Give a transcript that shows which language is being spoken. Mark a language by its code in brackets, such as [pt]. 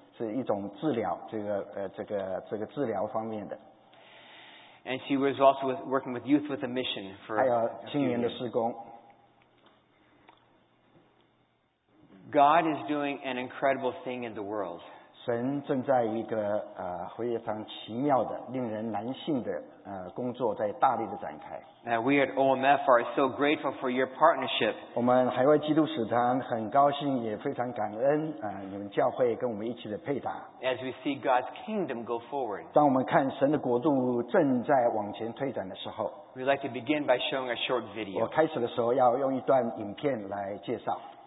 [zh] 是一种治疗，这个治疗方面的。 [en] And she was also working with Youth with a Mission for a few years. [zh] 青年的事工。 [en] God is doing an incredible thing in the world. [zh] 神正在一个非常奇妙的、令人难信的工作在大力的展开。 [en] Now we at OMF are so grateful for your partnership. [zh] 我们海外基督使团很高兴，也非常感恩你们教会跟我们一起的配搭。 [en] As we see God's kingdom go forward. [zh] 当我们看神的国度正在往前推展的时候， [en] we'd like to begin by showing a short video. [zh] 我开始的时候要用一段影片来介绍。